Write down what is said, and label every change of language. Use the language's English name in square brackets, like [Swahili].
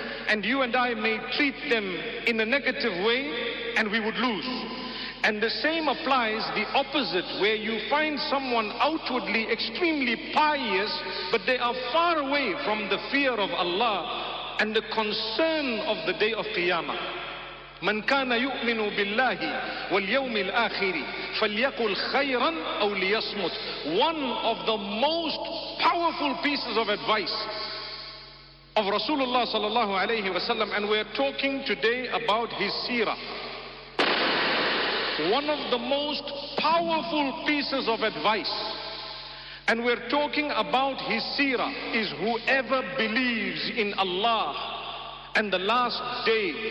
[English] And you and I may treat them in a negative way and we would lose. And the same applies the opposite, where you find someone outwardly extremely pious, but they are far away from the fear of Allah and the concern of the day of Qiyamah. [Arabic] من كان يؤمن بالله واليوم الآخر فليقل خيرا أو ليصمت. [English] One of the most powerful pieces of advice of Rasulullah sallallahu alayhi wa sallam, and we're talking today about his seerah. One of the most powerful pieces of advice, and we're talking about his seerah, is whoever believes in Allah and the last day.